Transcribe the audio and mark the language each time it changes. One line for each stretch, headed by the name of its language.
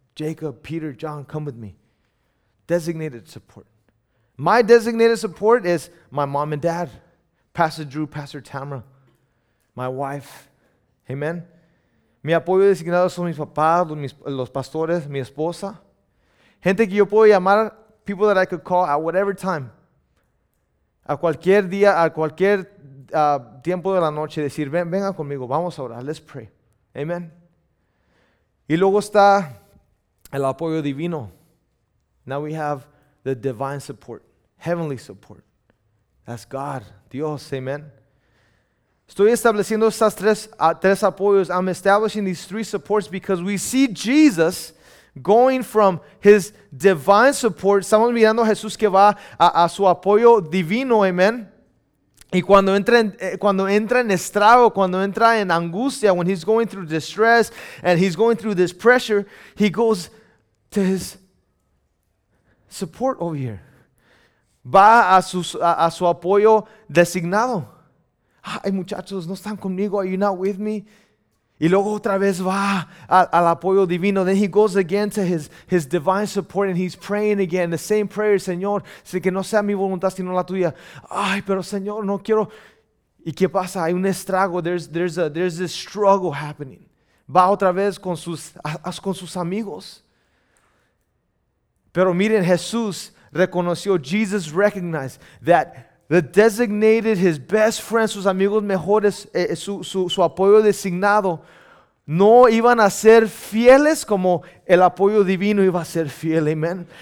English: Jacob, Peter, John, come with me. Designated support. My designated support is my mom and dad, Pastor Drew, Pastor Tamara, my wife. Amen.
Spanish: Mi apoyo designado son mis papás, los pastores, mi esposa. Gente que yo puedo llamar,
English: people that I could call at whatever time.
Spanish: A cualquier día, a cualquier tiempo de la noche, decir, venga conmigo, vamos a orar,
English: let's pray.
Spanish: Amen. Y luego está el apoyo divino.
English: Now we have the divine support, heavenly support. That's God,
Spanish: Dios, amen. Estoy estableciendo estas tres apoyos.
English: I'm establishing these three supports because we see Jesus going from his divine support.
Spanish: Estamos mirando a Jesús que va a su apoyo divino, amen. Y cuando entra en angustia,
English: when he's going through distress and he's going through this pressure, he goes to his support over here.
Spanish: Va a su apoyo designado. Ay, muchachos, no están conmigo.
English: Are you not with me?
Spanish: Y luego otra vez va al apoyo divino.
English: Then he goes again to his divine support and he's praying again the same prayer.
Spanish: Señor, sé que no sea mi voluntad sino la tuya. Ay, pero Señor, no quiero. ¿Y qué pasa? Hay un estrago.
English: There's this struggle happening.
Spanish: Va otra vez con sus amigos. Pero miren, Jesús reconoció,
English: Jesus recognized that the designated, his best friends,
Spanish: sus amigos mejores, su apoyo designado, no iban a ser fieles como el apoyo divino iba a ser fiel, amen.